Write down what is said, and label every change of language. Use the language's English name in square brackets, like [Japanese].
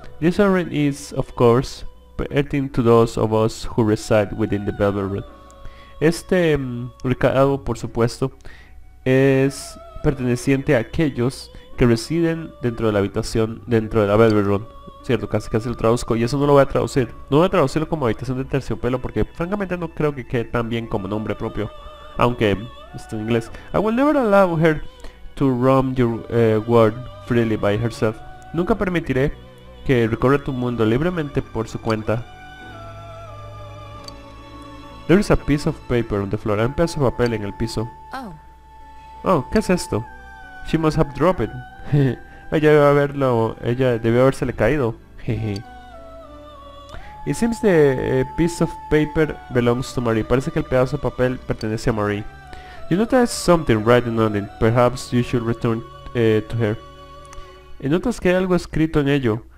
[English] This errand is, of course, pertaining to those of us who reside within the Velvet Room. [Spanish] Este recado, por supuesto, es perteneciente a aquellos que residen dentro de la habitación, dentro de la Velvet Room. Cierto, casi lo traduzco, y eso no lo voy a traducir. No voy a traducirlo como habitación de terciopelo, porque francamente no creo que quede tan bien como nombre propio, aunque está en inglés. [English] I will never allow her to roam your world freely by herself. [Spanish] Nunca permitiré que recorra tu mundo libremente por su cuenta. [English] There is a piece of paper on the floor. [Spanish] Hay un pedazo de papel en el piso. Oh. Oh, ¿qué es esto? [English] She must have dropped it. [Spanish] Ella debió habérsele caído. [English] It seems the piece of paper belongs to Marie. [Spanish] Parece que el pedazo de papel pertenece a Marie. [English] You notice something written on it. Perhaps you should return to her. [Spanish] Y notas que hay algo escrito en ello.